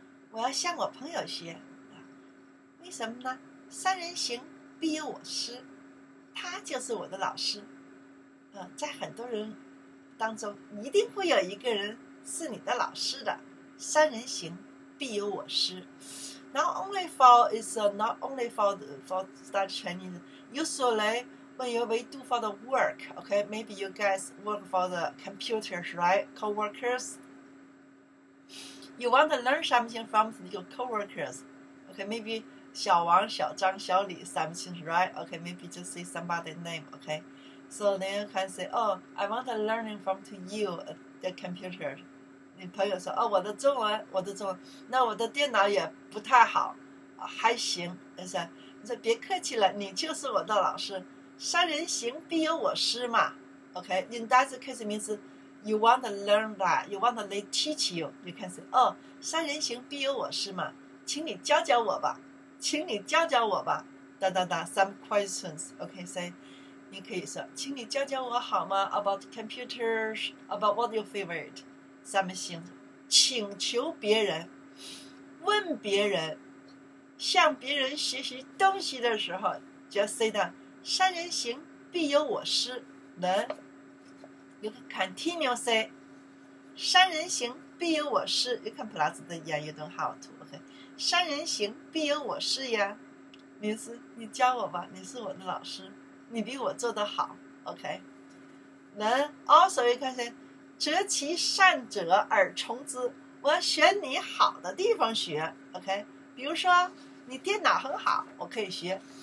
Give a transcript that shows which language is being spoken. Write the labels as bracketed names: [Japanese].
[Chinese] 我要向我朋友学，为什么呢？三人行必有我师，他就是我的老师。在很多人当中一定会有一个人是你的老师的，三人行必有我师。 [English] Not only for is not only for the, for study Chinese. Usually when you we do for the work, okay, maybe you guys work for the computers, right? Co-workers. You want to learn something from your co-workers, okay? Maybe 小王、小张、小李 something, right? Okay, maybe just say somebody's name, okay. So then you can say, oh, I want to learn from to you, the computer. [Chinese] 你朋友说，哦，我的中文，我的中文，那我的电脑也不太好，还行。你说，你说别客气了，你就是我的老师，三人行必有我师嘛。 [English] OK, in that case means you want to learn that, you want to they teach you. You can say, oh, [Chinese] 三人行必有我师嘛，请你教教我吧，请你教教我吧。 [English] 哒哒哒 some questions. OK, say, [Chinese] 你可以说，请你教教我好吗 [English] ？About computers, about what your favorite? [Chinese] 三门星，请求别人，问别人，向别人学习东西的时候 ， [English] just say that [Chinese] 三人行必有我师。 [English] Then you can continue say 三人行必有我师。 You can plus the yeah, you don't have to. [Chinese] Okay, 三人行必有我师呀。名师，你教我吧，你是我的老师。你比我做得好 ，OK。 [English] Then also you can say， [Chinese] 择其善者而从之。我要选你好的地方学 ，OK。比如说你电脑很好，我可以学。